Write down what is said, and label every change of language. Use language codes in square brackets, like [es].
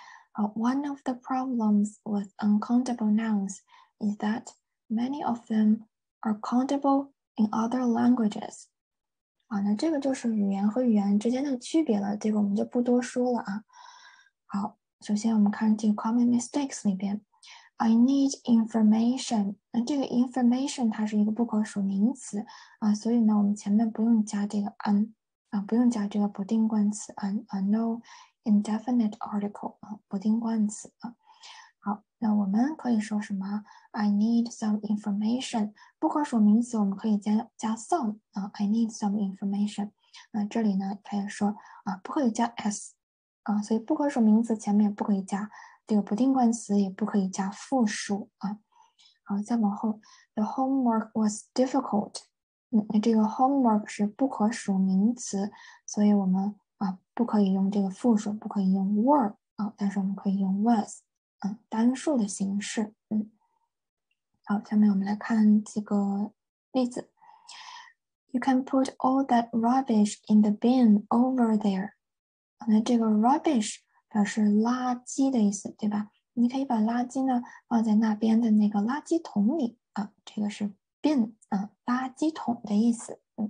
[en] 好，One of the problems with uncountable nouns is that many of them are countable in other languages。 [zh] 那这个就是语言和语言之间的区别了，这个我们就不多说了啊。好，首先我们看这个 common mistakes 里边。 [en] I need information。 [zh] 这个 information 它是一个不可数名词所以呢，我们前面不用加这个 an 不用加这个不定冠词 an [en] no indefinite article [zh] 不定冠词好，那我们可以说什么？ [en] I need some information。 [zh] 不可数名词我们可以加 some [en] I need some information。 [zh] 这里呢，它也说不可以加 s 所以不可数名词前面不可以加。这个不定冠词也不可以加复数好，再往后， [en] the homework was difficult。 [zh] 这个 homework 是不可数名词，所以我们不可以用这个复数，不可以用 were 但是我们可以用 was 单数的形式。好，下面我们来看几个例子。 [en] You can put all that rubbish in the bin over there。 [zh] 那这个 rubbish。表示垃圾的意思，对吧？你可以把垃圾呢放在那边的那个垃圾桶里这个是 bin 垃圾桶的意思。